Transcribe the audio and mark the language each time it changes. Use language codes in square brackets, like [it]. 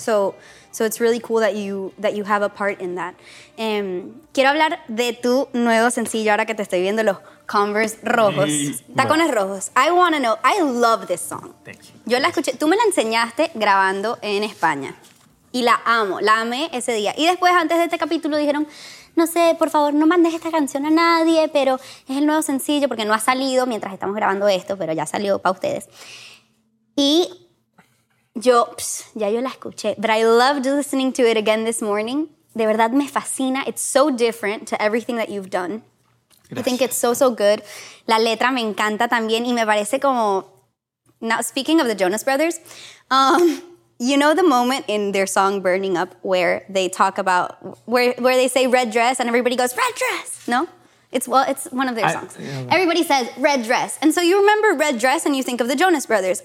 [en] So it's really cool that you have a part in that. [es] Quiero hablar de tu nuevo sencillo ahora que te estoy viendo los Converse rojos. [en] Tacones rojos. I want to know. I love this song. Thank you. [es] Yo la escuché. Tú me la enseñaste grabando en España. Y la amo. La amé ese día. Y después, antes de este capítulo, dijeron, no sé, por favor, no mandes esta canción a nadie, pero es el nuevo sencillo porque no ha salido mientras estamos grabando esto, pero ya salió para ustedes. Y yo, ya yo la escuché. [en] But I loved listening to it again this morning. [es] De verdad, me fascina. [en] It's so different to everything that you've done. [es] Gracias. [en] I think it's so, so good. [es] La letra me encanta también y me parece como... [en] Now, speaking of the Jonas Brothers, you know the moment in their song Burning Up where they talk about... Where they say red dress and everybody goes, red dress! No? It's one of their songs. Everybody says red dress. And so you remember red dress and you think of the Jonas Brothers.